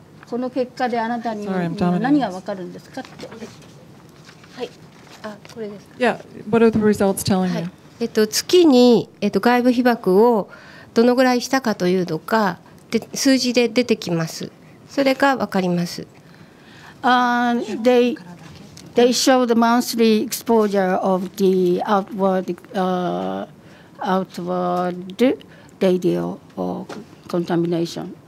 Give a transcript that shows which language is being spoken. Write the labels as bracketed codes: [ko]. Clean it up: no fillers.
[ja] この結果であなたに何がわかるんですかって。はい。あ、これですか。 [en] Yeah. What are the results telling you? [ja] 月に外部被曝をどのぐらいしたかというのか、数字で出てきます。それがわかります。 [en] They show the monthly exposure of the outward outward レディオコンタミネーション。